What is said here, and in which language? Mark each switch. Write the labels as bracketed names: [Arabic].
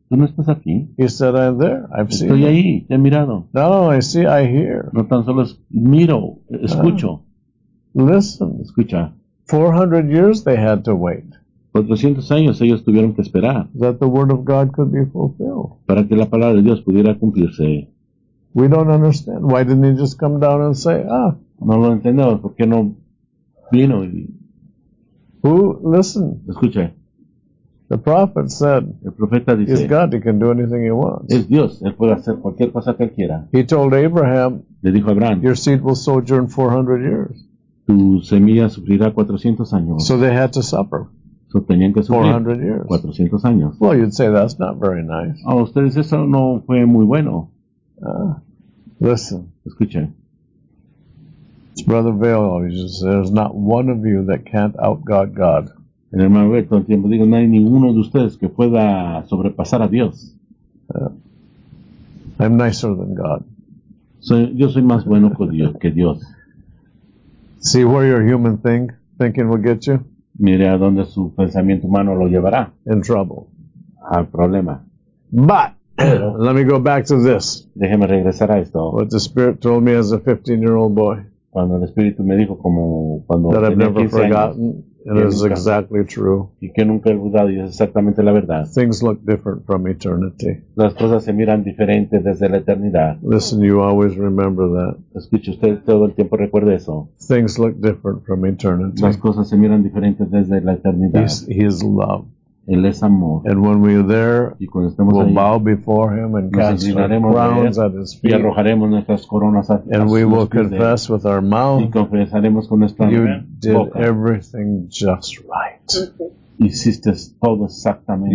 [Spanish] Tú no estás aquí. [English] He said, I'm there. I've [Spanish] estoy [English] seen. [Spanish] Estoy ahí. Te he mirado. [English] No, I see. I hear. [Spanish] No tan solo miro. Escucho. [English] Listen, [Spanish] escucha. [English] 400 years they had to wait. [Spanish] 400 años ellos tuvieron que esperar. [English] That the word of God could be fulfilled. [Spanish] Para que la palabra de Dios pudiera cumplirse. [English] We don't understand. Why didn't he just come down and say, ah? [Spanish] No lo entendemos. ¿Por qué no vino? [English] Who? Listen. [Spanish] Escucha. [English] The prophet said. [Spanish] El profeta dice. [English] He's God. He can do anything he wants. [Spanish] Es Dios. Él puede hacer cualquier cosa que él quiera. [English] He told Abraham. [Spanish] Le dijo a Abraham. [English] Your seed will sojourn 400 years. [Spanish] Tu semilla sufrirá 400 años. [English] So they had to suffer. [Spanish] So tenían que sufrir [English] 400 years. [Spanish] 400 años. [English] Well, you'd say that's not very nice. [Spanish] Oh, ustedes, eso no fue muy bueno. [English] Listen. [Spanish] Escuchen. [English] It's Brother Vail always says, there's not one of you that can't out-God God. [Spanish] El hermano Vail todo el tiempo digo, no hay ninguno de ustedes que pueda sobrepasar a Dios. [English] I'm nicer than God. [Spanish] So, yo soy más bueno con Dios, que Dios. [English] See where your human thinking will get you. [Spanish] Mire a donde su pensamiento humano lo llevará. [English] In trouble. [Spanish] Al problema. [English] But. Let me go back to this. [Spanish] Déjeme regresar a esto. [English] What the Spirit told me as a 15-year-old boy. [Spanish] Cuando el Espíritu me dijo como cuando [English] that I've never forgotten. And it is exactly true. [Spanish] Y que nunca he olvidado, y es exactamente la verdad. [English] Things look different from eternity. [Spanish] Las cosas se miran diferentes desde la eternidad. [English] Listen, you always remember that. [Spanish] Escuche usted todo el tiempo, recuerde eso. [English] Things look different from eternity. [Spanish] Las cosas se miran diferentes desde la eternidad. [English] His love. [Spanish] Él es amor. [English] And when we are there, [Spanish] y cuando estemos [English] we'll [Spanish] ahí, [English] bow before him and cast our crowns at his feet. [Spanish] Y arrojaremos nuestras coronas a sus pies. [English] And we will confess with our mouth. [Spanish] Y confesaremos con nuestra [English] you [Spanish] boca. [English] Did everything just right. [Spanish] Hiciste todo exactamente.